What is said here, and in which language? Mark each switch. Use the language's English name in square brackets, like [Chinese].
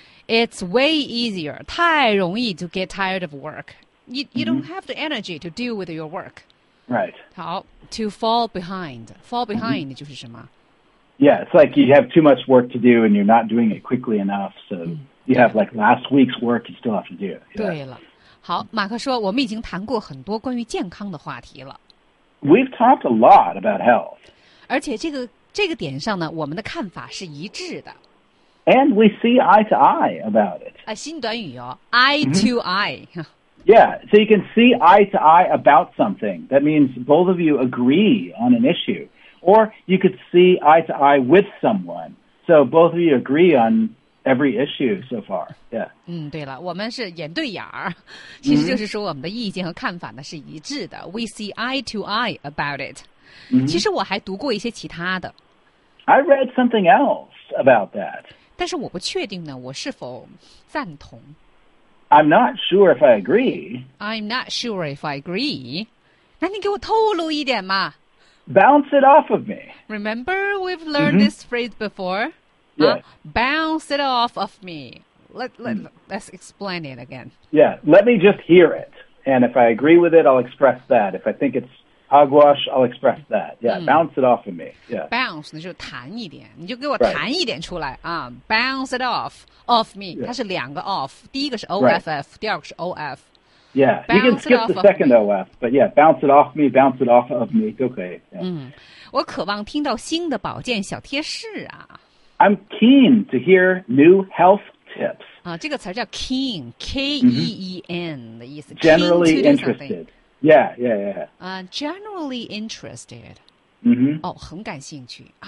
[English] It's way easier, [Chinese] 太容易 [English] to get tired of work. You don't have the energy to deal with your work. Right. 好 to fall behind. Fall behind [Chinese] 就是什么？ [English] Yeah, it's like you have too much work to do and you're not doing it quickly enough, so you have like last week's work you still have to do. [Chinese] 对了。好，马克说，我们已经谈过很多关于健康的话题了。 [English] We've talked a lot about health. [Chinese] 而且这个点上呢，我们的看法是一致的。 [English] And we see eye to eye about it. [Chinese] 啊，新短语哦 ，eye to eye. [English] Yeah, so you can see eye to eye about something. That means both of you agree on an issue, or you could see eye to eye with someone. So both of you agree on every issue so far. Yeah. [Chinese] 嗯，对了，我们是眼对眼儿，其实就是说我们的意见和看法呢是一致的。 [English] We see eye to eye about it. [Chinese] 其实我还读过一些其他的。 [English] I read something else about that. [Chinese] 但是我不确定呢，我是否赞同。 [English] I'm not sure if I agree. I'm not sure if I agree. [Chinese] 那你给我透露一点嘛。 [English] Bounce it off of me. Remember, we've learned this phrase before. Yes. Bounce it off of me. Let's explain it again. Yeah, let me just hear it. And if I agree with it, I'll express that. If I think it's hogwash, I'll express that. Yeah, bounce it off of me. Yeah. [Chinese] Bounce, 那就弹一点。你就给我弹一点出来。 [English] Bounce it off of me. Yeah. [Chinese] 它是两个 off. 第一个是 off, 第二个是 of. [English] Yeah, bounce, you can skip the second OF, but yeah, bounce it off me, bounce it off of me, [Chinese] 都可以。我渴望听到新的保健小贴士啊。 [English] I'm keen to hear new health tips. [Chinese] 这个词叫 keen, K-E-E-N 的意思。 [English] Generally interested. Yeah, yeah, yeah. Generally interested. [Chinese] 很感兴趣。